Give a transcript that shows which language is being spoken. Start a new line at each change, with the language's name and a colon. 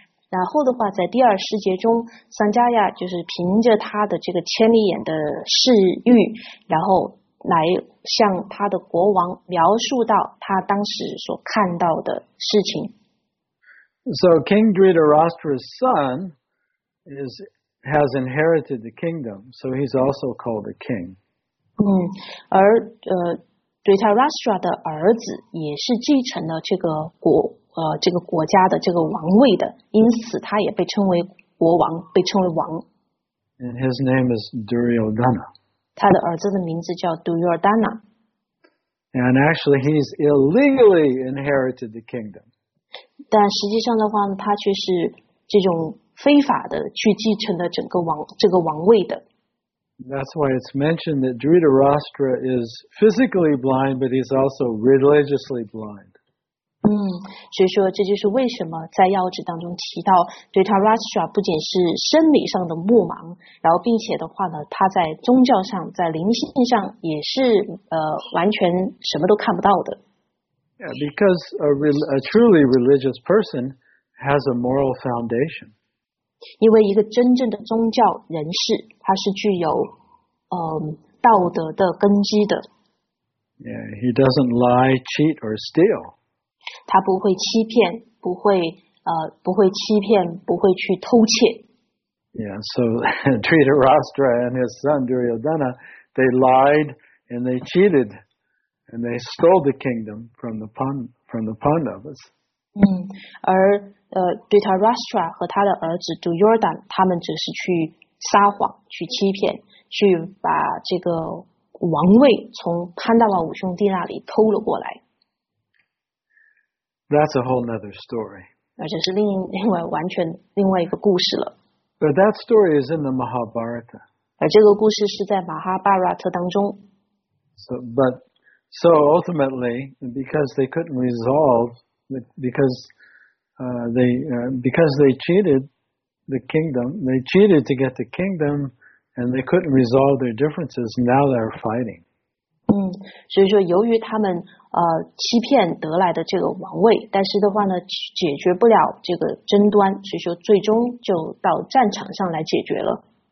Chinese: 然后的话，在第二十节中，桑加亚就是凭着他的这个千里眼的视域，然后来向他的国王描述到他当时所看到的事情。
English: So King Dhritarashtra's son has inherited the kingdom, so he's also called a king.
Chinese: 而Dhritarashtra 的儿子也是继承了这个国家的这个王位的，因此他也被称为国王，被称为王。
English: And his name is Duryodhana.
Chinese: 他的儿子的名字叫 Duryodhana.
English: And actually, he's illegally inherited the kingdom.
Chinese: 但实际上的话呢，他却是这种非法的去继承了整个王这个王位的。
English: That's why it's mentioned that Dhritarashtra is physically blind, but he's also religiously blind.
Chinese: 所以说这就是为什么在要旨当中提到 Dhritarashtra 不仅是生理上的目盲，然后并且的话呢，他在宗教上，在灵性上也是完全什么都看不到的。
English: Yeah, because a truly religious person has a moral foundation.
Chinese: 因为一个真正的宗教人士，他是具有道德的根基的。
English: Yeah, he doesn't lie, cheat, or steal.
Chinese: 他不会欺骗，不会欺骗，不会去偷窃。
English: Yeah, so Dhritarashtra and his son Duryodhana, they lied and they cheated and they stole the kingdom from the Pandavas.
Chinese: 而Dhritarashtra 和他的儿子 Duryodhana, 他们只是去撒谎，去欺骗，去把这个王位从潘达瓦五兄弟那里偷了过来。
English: That's a whole other story.
Chinese: 而且是另外完全另外一个故事了。
English: But that story is in the Mahabharata.
Chinese: 而这个故事是在马哈巴拉特当中。
English: So ultimately, because they couldn't resolve, because they cheated the kingdom, they cheated to get the kingdom, and they couldn't resolve their differences. Now they're fighting.
Chinese: 所以说由于他们欺骗得来的这个王位，但是的话呢解决不了这个争端，所以说最终就到战场上来解决了。